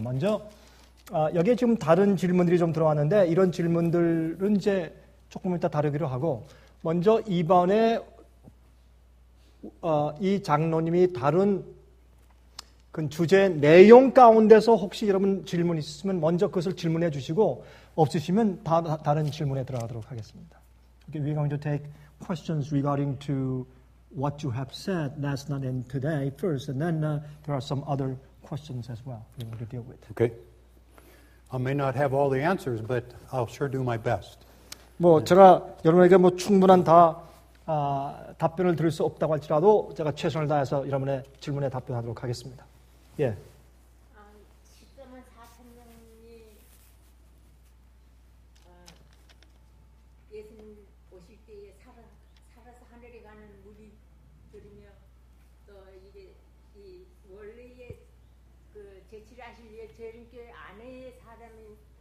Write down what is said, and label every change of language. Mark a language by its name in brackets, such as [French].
[Korean] 먼저 여기에 지금 다른 질문들이 좀 들어왔는데 이런 질문들은 이제 조금 이따 다루기로 하고 먼저 이번에 이 장로님이 다룬 그 주제 내용 가운데서 혹시 여러분 질문 있으시면 먼저 그것을 질문해 주시고 없으시면 다른 질문에 들어가도록 하겠습니다. [English] Okay, we're going to take questions regarding to what you have said last night and today first, and then there are some other questions as well we're going to deal with. Okay. I may not have all the answers, but I'll sure do my best. [Korean] 뭐 제가 여러분에게 뭐 충분한 다 답변을 드릴 수 없다고 할지라도 제가 최선을 다해서 여러분의 질문에 답변하도록 하겠습니다. 예. 지금은 사천명이 예수님 오실 때에 살아서 하늘에 가는 무리들이며 또 이게 이 원래의 그 제칠하실 예수님께 아내의 사람이